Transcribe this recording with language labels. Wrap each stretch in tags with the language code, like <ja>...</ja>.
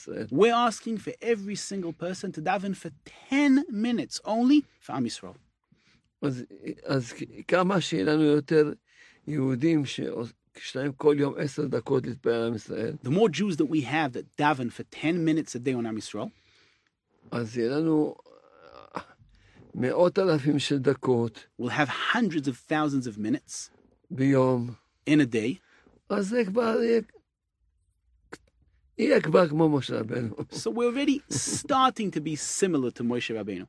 <en>We're asking for every single person to daven for 10 minutes only for Am Yisrael.</en> <he>אז כמה שיהיה לנו יותר יהודים שישתהם כל יום 10 דקות להתפלל על עם ישראל.</he> <en>The more Jews that we have that daven for 10 minutes a day on Am Yisrael.</en> <he>אז יהיה לנו מאות אלפים של דקות.</he> <en>We'll have hundreds of thousands of minutes.</en> <he>ביום.</he> <en>In a day.</en> <he>אז זה כבר יהיה כבר כמו משה רבנו.</he> <en>So we're already starting to be similar to Moshe Rabbeinu.</en>